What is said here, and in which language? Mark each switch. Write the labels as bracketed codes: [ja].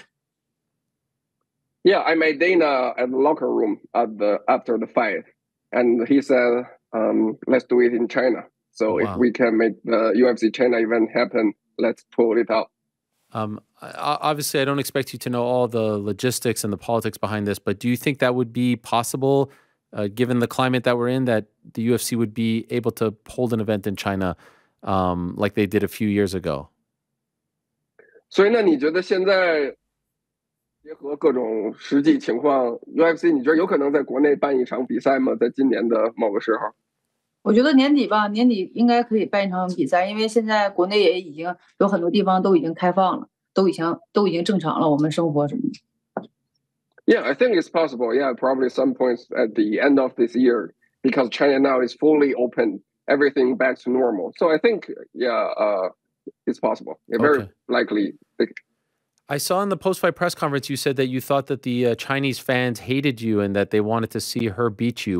[zh] 给你传达什么信息？就是有可能会安排你和张伟丽的比赛吗？我在我比完赛之后，在后台的时候见到大南外，大南外说他想把比赛会安排到中国。我觉得他的意思就是已经可以去挑战冠军，而且希望我跟张伟丽在中国打。Yeah, [en] I met Dana at the locker room at the after the fight, and he said, "Let's do it in China. So wow. If we can make the UFC China event happen, let's pull it out." Obviously, I don't expect you to know all the logistics and the politics behind this, but do you think that would be possible, given the climate that we're in, that the UFC would be able to hold an event in China like they did a few years ago? [zh] 所以那你觉得现在结合各种实际情况 ，UFC 你觉得有可能在国内办一场比赛吗？在今年的某个时候？我觉得年底吧，年底应该可以办一场比赛，因为现在国内也已经有很多地方都已经开放了，都已经正常了，我们生活什么的。 [en] Yeah, I think it's possible. Yeah, probably some points at the end of this year because China now is fully open, everything back to normal. So I think, it's possible. Yeah, very likely. I saw in the post-fight press conference you said that you thought that the Chinese fans hated you and that they wanted to see her beat you.